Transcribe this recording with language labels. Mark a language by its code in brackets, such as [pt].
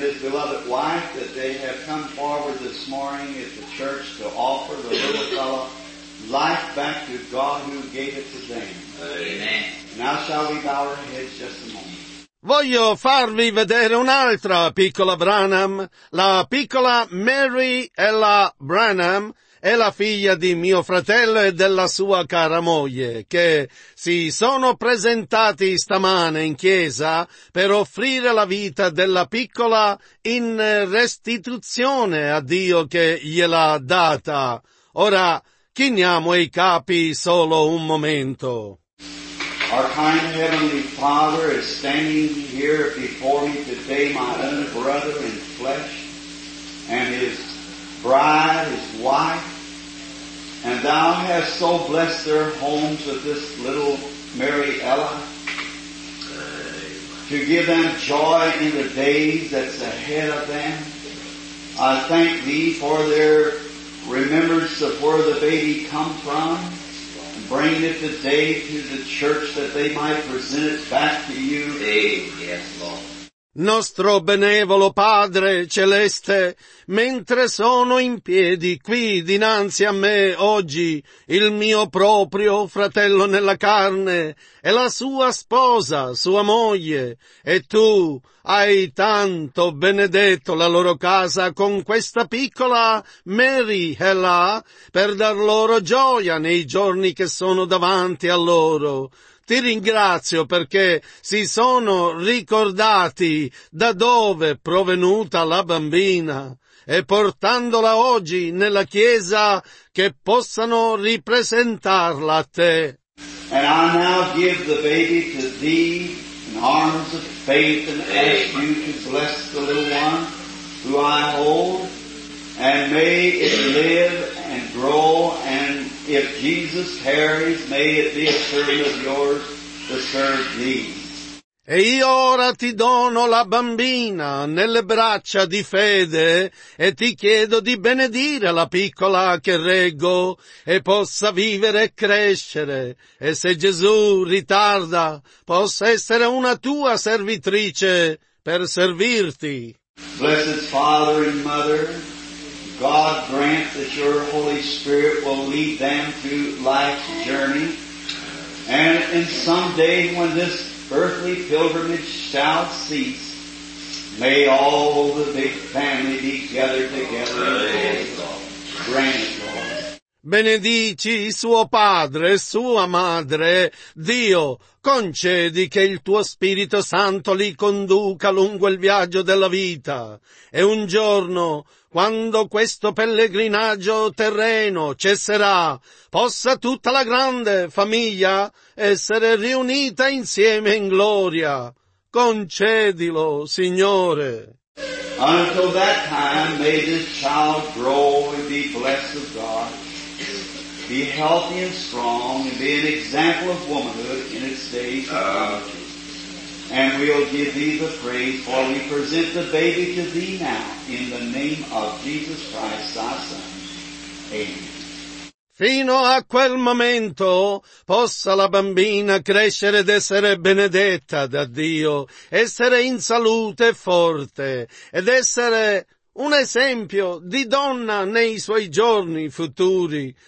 [en] Beloved wife, that they have come forward this morning at the church to offer the little fellow life back to God who gave it to them. Amen. Now shall we bow our heads just a moment. [it] Voglio farvi vedere un'altra piccola Branham, la piccola Mary Ella Branham. È la figlia di mio fratello e della sua cara moglie, che si sono presentati stamane in chiesa per offrire la vita della piccola in restituzione a Dio che gliel'ha data. Ora, chiniamo i capi solo un momento. [en] Our kind Heavenly Father is standing here before me today, my own brother in flesh, and his bride, his wife, and thou hast so blessed their homes with this little Mary Ella to give them joy in the days that's ahead of them. I thank thee for their remembrance of where the baby come from. Bring it today to the church that they might present it back to you. Yes, Lord. [it] Nostro benevolo Padre Celeste, mentre sono in piedi qui dinanzi a me oggi il mio proprio fratello nella carne e la sua sposa, sua moglie, e tu hai tanto benedetto la loro casa con questa piccola Mary Ella per dar loro gioia nei giorni che sono davanti a loro. Ti ringrazio perché si sono ricordati da dove è provenuta la bambina e portandola oggi nella chiesa che possano ripresentarla a te. [en] And I now give the baby to thee in arms of faith and ask you to bless the little one who I hold and may it live and grow and if Jesus tarries, may it be a servant of yours to serve thee. [it] E io ora ti dono la bambina nelle braccia di fede e ti chiedo di benedire la piccola che reggo e possa vivere e crescere. E se Gesù ritarda, possa essere una tua servitrice per servirti. [en] Blessed Father and Mother, God grant that your Holy Spirit will lead them through life's journey. And in some day when this earthly pilgrimage shall cease, may all the big family be gathered together in glory. Grant it, Lord. [it] Benedici suo padre e sua madre, Dio, concedi che il tuo Spirito Santo li conduca lungo il viaggio della vita. E un giorno, quando questo pellegrinaggio terreno cesserà, possa tutta la grande famiglia essere riunita insieme in gloria. Concedilo, Signore. [en] Until that time, may this child grow and be blessed of God. Be healthy and strong and be an example of womanhood in its days. And we'll give thee the praise, for we present the baby to thee now, in the name of Jesus Christ, thy Son. Amen. [it] Fino a quel momento possa la bambina crescere ed essere benedetta da Dio, essere in salute e forte, ed essere un esempio di donna nei suoi giorni futuri.